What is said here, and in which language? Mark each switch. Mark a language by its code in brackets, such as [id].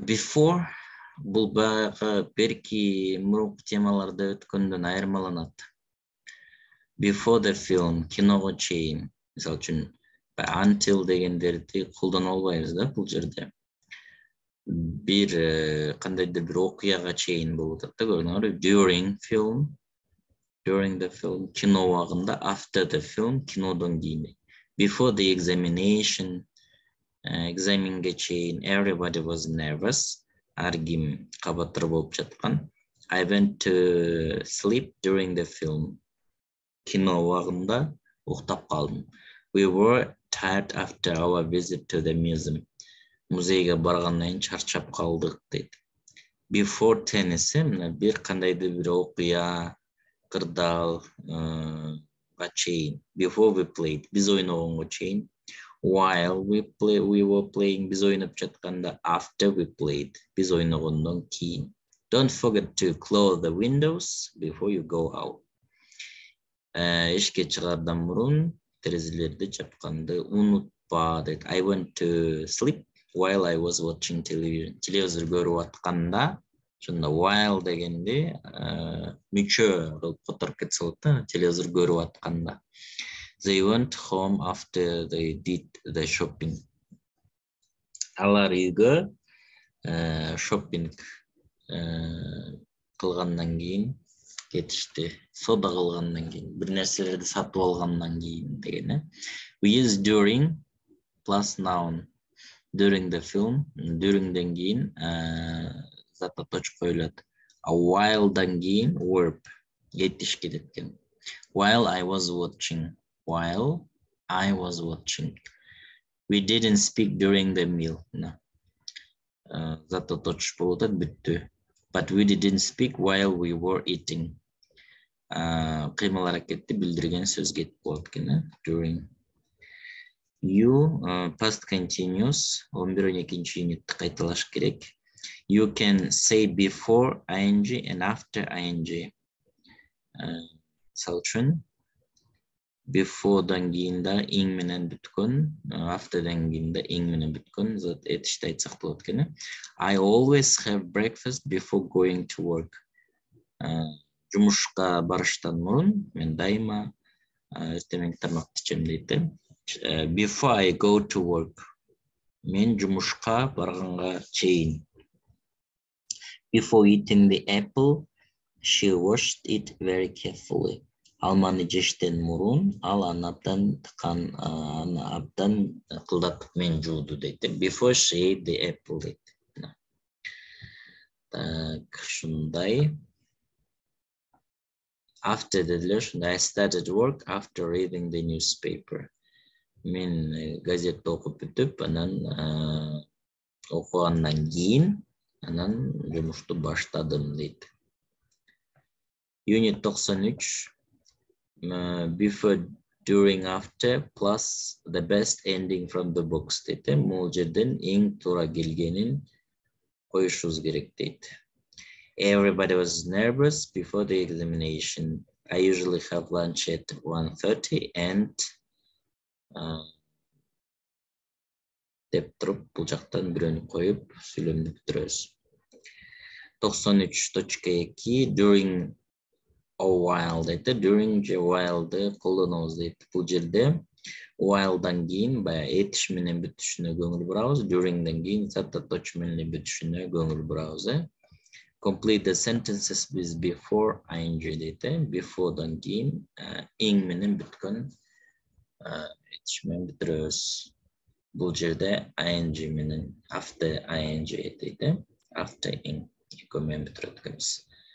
[ky] Before bul baagi berki muruk temalarda ötkөндөн айырмаланат. [en] Before the film, [ky] киного чейин. Мисал үчүн until дегендерди колдоно албайбыз да бул жерде. Бир кандайдыр бир окуяга чейин болуп атат да көрүнөр. [en] During film, during the film, [ky] кино убагында, [en] after the film, [ky] кинодон кийин. [en] Before the examination, [ky] examinге чейин, [en] everybody was nervous. [ky] Ар ким кабатыр болуп жаткан. [en] I went to sleep during the film. [ky] Кино убагында уктап калдым. [en] We were tired after our visit to the museum. [ky] Музейге баргандан кийин чарчап калдык дейт. [en] Before tennis, [ky] бир кандайдыр бир окуя, кырдаал, чейин. [en] Before we played, [ky] биз ойногонго чейин. [en] While we were playing, [ky] биз ойноп жатканда, [en] after we played, [ky] биз ойногондон кийин. [en] Don't forget to close the windows before you go out. [ky] Ишке чыгардан мурун терезелерди жапканды унутпа дейт. [en] I went to sleep while I was watching television. [ky] Телевизор көрүп атканда, жанда while дегенде мүчө болуп которуп кетсе болот да, телевизор көрүп атканда. [en] They went home after they did the shopping. [ky] Алар үйгө шоппинг кылгандан кийин кетишти. Сода кылгандан кийин, бир нерселерди сатып алгандан кийин деген. [en] We use during plus noun. During the film, [ky] during-ден кийин затта точка коюлат. While-дан кийин verb кетиш керек экен. [en] While I was watching. While I was watching. We didn't speak during the meal. [ky] Затта точка болуп атат, бүттү. [en] But we didn't speak while we were eating. [ky] Кыймыл аракетти билдирген сөз кетип калат экен. [en] During. You past continuous. [ky] 11-12 юнитти кайталаш керек. [en] You can say before ing and after ing. [ky] Мисалы үчүн before-дан кийин да ing менен бүткөн, after-дан кийин да ing менен бүткөн зат этишти айтсак болот экен. [en] I always have breakfast before going to work. [ky] Жумушка барыштан мурун мен дайыма эртеңки тамакты ичем дейт. [en] Before I go to work. [ky] Мен жумушка барганга чейин. [en] Before eating the apple, she washed it very carefully. [ky] Алманы жештен мурун ал анаптан тыкан анаптан кылдатып мен жууду дейт. [en] Before she ate the apple [ky] дейт. Так, шундай. [en] After the lesson, I started work after reading the newspaper. [ky] Мен газетти окуп бүтүп, анан окугандан кийин, анан жумушту баштадым дейт. [en] Unit 93. Before, during, after, plus the best ending from the books [ky] дейт. Бул жерден эң туура келгенин коюшубуз керек дейт. [en] Everybody was nervous before the examination. I usually have lunch at 1:30 and [ky] деп туруп бул жактан бирөөнү коюп сүйлөмдү бүтүрөбүз. [en] 93.2 during a while [ky] дейт. During же while-ды колдонобуз дейт. Бул жерде while-дан кийин баягы этиш менен бүтүшүнө көңүл бурабыз, during-ден кийин затта точка менен бүтүшүнө көңүл бурабыз. [en] Complete the sentences with before ing [ky] дейт. Before-дан кийин ing менен бүткөн этиш менен бүтүрөбүз. Бул жерде ing менен after ing дейт. After ing экөө менен бүтүрөт экенбиз.